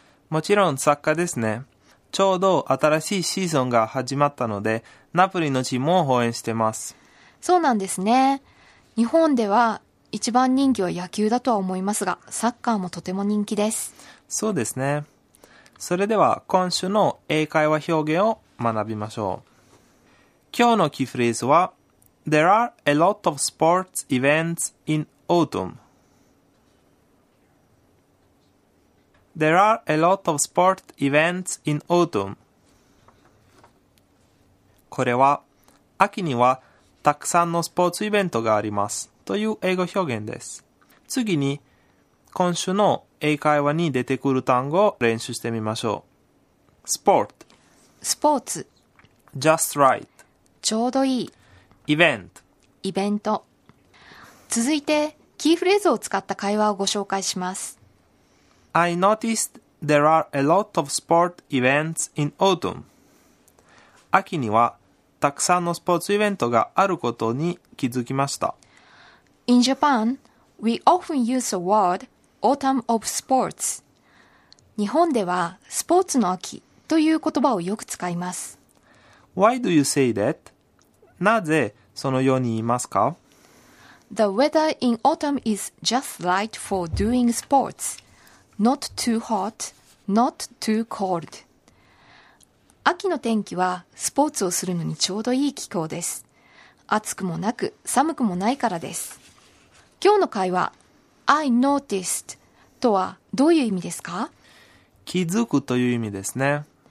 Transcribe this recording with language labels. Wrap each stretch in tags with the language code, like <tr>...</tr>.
<ja>もちろんサッカーですね。ちょうど新しいシーズンが始まったのでナポリのチームを応援してます。そうなんですね。日本では一番人気は野球だとは思いますが、サッカーもとても人気です。そうですね。それでは今週の英会話表現を学びましょう。今日のキーフレーズは</ja> <en>There are a lot of sports events in autumnThere are a lot of sport events in autumn.</en> <ja>これは秋にはたくさんのスポーツイベントがありますという英語表現です。次に今週の英会話に出てくる単語を練習してみましょう。</ja> <en>Sport.</en> <ja>スポーツ。</ja> <en>Just right.</en> <ja>ちょうどいい。</ja> <en>Event.</en> <ja>イベント。続いてキーフレーズを使った会話をご紹介します。</ja> <en>I noticed there are a lot of sport events in autumn.</en> <ja>秋にはたくさんのスポーツイベントがあることに気づきました。</ja> <en>In Japan, we often use the word autumn of sports.</en> <ja>日本ではスポーツの秋という言葉をよく使います。</ja> <en>Why do you say that?</en> <ja>なぜそのように言いますか?</ja> <en>The weather in autumn is just right for doing sports. Not too hot, not too cold.</en> <ja>秋の天気はスポーツをするのにちょうどいい気候です。暑くもなく寒くもないからです。今日の会話、</ja> <en>I noticed</en> <ja>とはどういう意味ですか？気づくという意味ですね。</ja>